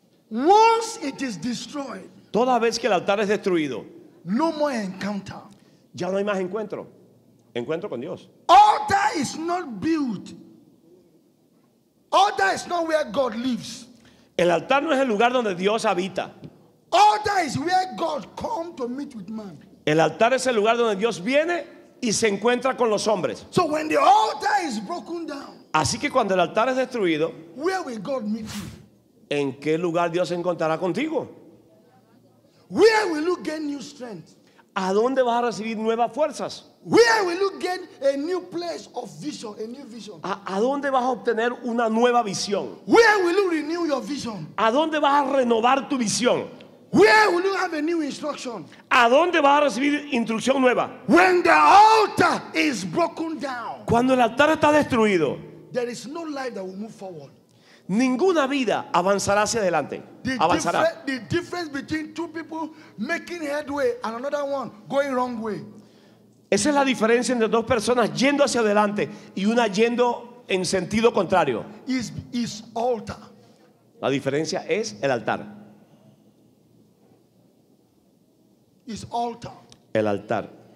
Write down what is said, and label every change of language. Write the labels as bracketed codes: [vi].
[en] Once it is destroyed. [es] Toda vez que el altar es destruido. [en] No more encounter. [es] Ya no hay más encuentro. Encuentro con Dios. [en] Altar is not built. Altar is not where God lives. [es] El altar no es el lugar donde Dios habita. [en] Altar is where God comes to meet with man. [es] El altar es el lugar donde Dios viene y se encuentra con los hombres. [en] So when the altar is broken down. [es] Así que cuando el altar es destruido, [en] where will God meet you? [es] ¿En qué lugar Dios se encontrará contigo? [en] Where will you get new strength? [es] ¿A dónde vas a recibir nuevas fuerzas? [en] Where will you get a new place of vision, a new vision? [es] ¿A dónde vas a obtener una nueva visión? [en] Where will you renew your vision? [es] ¿A dónde vas a renovar tu visión? [en] Where will you have a new instruction? [es] ¿A dónde vas a recibir instrucción nueva? [en] When the altar is broken down. [es] Cuando el altar está destruido. [en] There is no life that will move forward. [es] Ninguna vida avanzará hacia adelante. Avanzará. [en] The difference between two people making headway and another one going wrong way. [es] Esa es la diferencia entre dos personas yendo hacia adelante y una yendo en sentido contrario. [en] Is altar. [es] La diferencia es el altar. [en] Is altar. [es] El altar.